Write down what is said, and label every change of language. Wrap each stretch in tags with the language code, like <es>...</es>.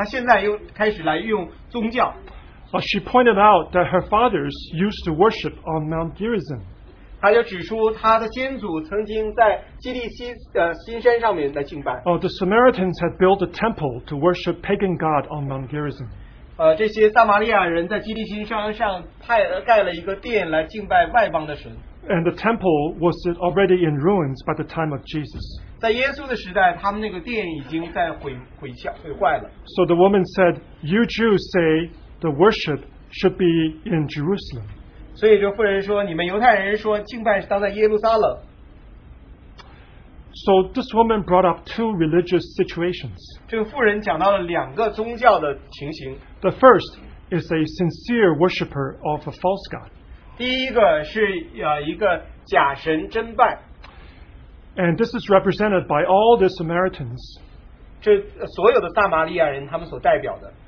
<zh>她用传统和历史曾经用,她现在又开始来用宗教。</zh> <en>But she pointed out that her fathers used to worship on Mount Gerizim.</en> <zh>她就指出她的先祖曾经在基利西新山上面来敬拜。</zh> <en>The Samaritans had built a temple to worship pagan god on Mount Gerizim.</en> <zh>这些撒玛利亚人在基利新山上盖了一个殿来敬拜外邦的神。</zh> <en>And the temple was already in ruins by the time of Jesus.</en> <zh>在耶稣的时代, 他们那个殿已经在毁坏了。</zh> <en>So the woman said, you Jews say the worship should be in Jerusalem.</en> <zh>所以这妇人说, 你们犹太人说, 敬拜是当在耶路撒冷。</zh> <en>So this woman brought up two religious situations.</en> <zh>这个妇人讲到了两个宗教的情形。</zh> <en>The first is a sincere worshipper of a false god.</en> <zh>第一个是一个假神真拜。</zh> <en>And this is represented by all the Samaritans.</en> <zh>这所有的撒玛利亚人他们所代表的。</zh>